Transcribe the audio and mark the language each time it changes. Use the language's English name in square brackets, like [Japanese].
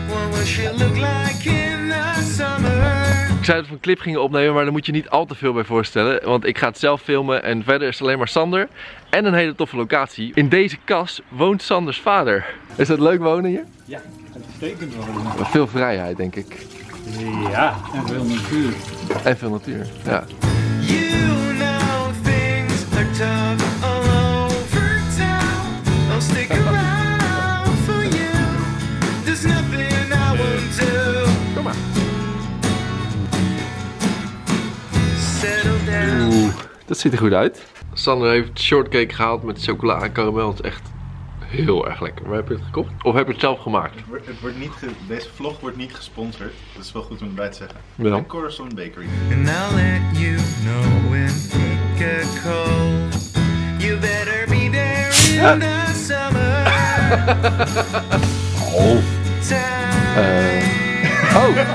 [English] What she look like in the summer? [Dutch] Ik zei dat we een clip gingen opnemen, maar daar moet je niet al te veel bij voorstellen. Want ik ga het zelf filmen en verder is alleen maar Sander. En een hele toffe locatie. In deze kas woont Sanders vader. Is dat leuk wonen hier? Ja. Maar veel vrijheid, denk ik. Ja, en veel natuur. En veel natuur, ja. [English] You know things are tough all over town. I'll stick around for you. There's nothing I won't do. [Dutch] Kom maar. [English] Settle down. [Dutch] Oeh, dat ziet er goed uit. Sander heeft shortcake gehaald met chocola en karamel. Het is echt heel erg lekker. Maar heb je het gekocht? Of heb je het zelf gemaakt? Deze vlog wordt niet gesponsord. Dat is wel goed om erbij te zeggen. Ja. En Corazon Bakery. [English] And I'll let you know when we get cold. You better be there in the summer. Oh. Oh.